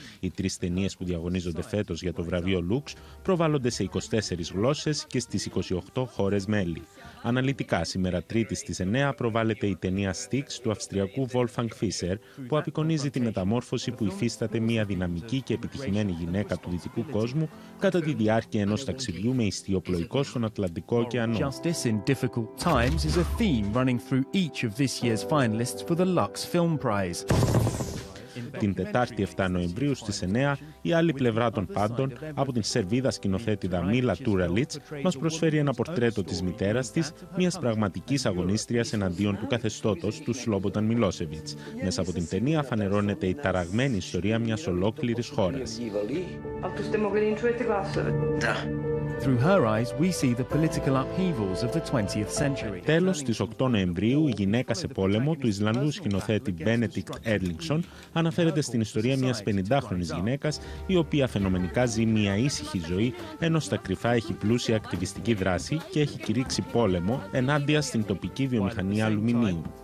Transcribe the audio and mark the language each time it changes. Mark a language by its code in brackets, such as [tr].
[el] Οι τρεις ταινίες που διαγωνίζονται φέτος για το βραβείο Λουξ προβάλλονται σε 24 γλώσσες και στις 28 χώρες μέλη. Αναλυτικά, σήμερα Τρίτη στις 9 προβάλλεται η ταινία Στίξ του Αυστριακού Wolfgang Fischer, που απεικονίζει τη μεταμόρφωση που υφίσταται μια δυναμική και επιτυχημένη γυναίκα του δυτικού κόσμου κατά τη διάρκεια ενός ταξιδιού με ιστιοπλοϊκό στον Ατλαντικό ωκεανό. [en] Justice in difficult times is a theme running through each of this year's finalists for the Lux Film Prize. [el] Την Τετάρτη 7 Νοεμβρίου στις 9, η άλλη πλευρά των πάντων, από την Σερβίδα σκηνοθέτηδα Μίλα Τούραλιτς, μας προσφέρει ένα πορτρέτο της μητέρας της, μιας πραγματικής αγωνίστριας εναντίον του καθεστώτος του Σλόμποταν Μιλόσεβιτς. Μέσα από την ταινία φανερώνεται η ταραγμένη ιστορία μιας ολόκληρης χώρας. [en] Through her eyes, we see the political upheavals of the 20th century. [el] Τέλος στις 8 Νοεμβρίου, η γυναίκα σε πόλεμο του Ισλανδού σκηνοθέτη Benedict Erlingsson αναφέρεται στην ιστορία μιας 50χρονης γυναίκας, η οποία φαινομενικά ζει μια ήσυχη ζωή, ενώ στα κρυφά έχει πλούσια ακτιβιστική δράση και έχει κηρύξει πόλεμο ενάντια στην τοπική βιομηχανία αλουμινίου.